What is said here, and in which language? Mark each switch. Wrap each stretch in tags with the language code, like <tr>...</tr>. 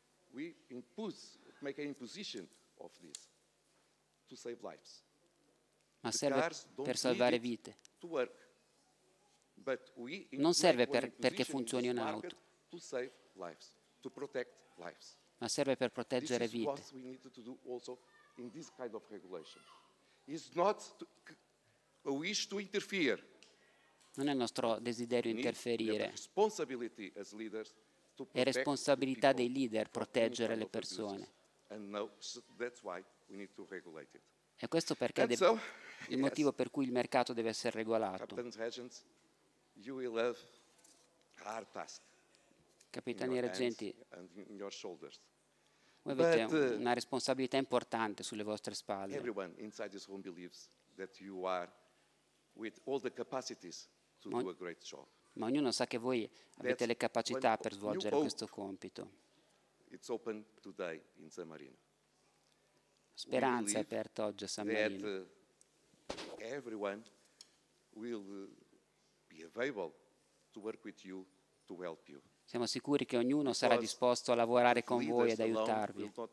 <en>We make an imposition of this to save lives.</en> <it>Ma serve per salvare vite. Non serve perché funzioni un'auto, ma serve per proteggere vite. Non è il nostro desiderio interferire, è responsabilità dei leader proteggere le persone. E questo perché è il motivo per cui il mercato deve essere regolato.</it> <en>You will have hard task</en> <it>Capitani reggenti,</it> <en>in your shoulders.</en> <it>Voi avete una responsabilità importante sulle vostre spalle.</it> <en>Everyone inside this room believes that you are with all the capacities to do a great job.</en> <it>Ma ognuno sa che voi avete le capacità per svolgere questo compito.</it> <en>It's open today in San Marino.</en> <it>Speranza è aperta oggi a San Marino.</it> <en>That everyone will available to work with you to help you.</en> <it>Siamo sicuri che ognuno sarà disposto a lavorare con voi ed aiutarvi.</it>